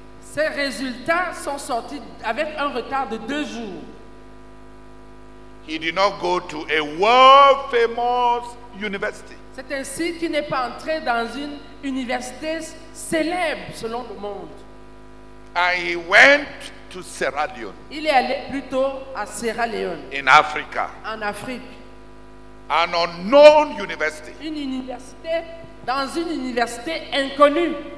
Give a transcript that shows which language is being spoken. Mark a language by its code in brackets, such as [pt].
[fr] Ses résultats sont sortis avec un retard de 2 jours. [en] He did not go to a world famous university. [fr] C'est ainsi qu'il n'est pas entré dans une université célèbre selon le monde. [en] And he went to Sierra Leone. [fr] Il est allé plutôt à Sierra Leone. [en] In Africa. [fr] En Afrique. [en] An unknown university. [fr] Une université dans une université inconnue.